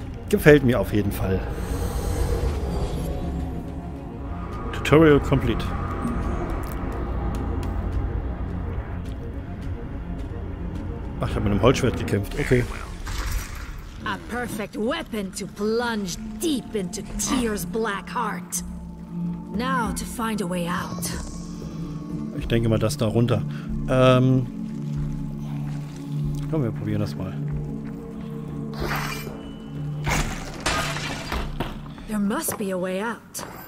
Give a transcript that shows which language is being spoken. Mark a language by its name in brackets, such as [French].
[German] Gefällt mir auf jeden Fall. [English] Tutorial complete. [German] Ach, ich habe mit einem Holzschwert gekämpft. Okay. [English] A perfect weapon to plunge deep into Tyr's black heart. Now to find a way out. [German] Ich denke mal, das da runter. Komm, wir probieren das mal. [English] There must be a way out.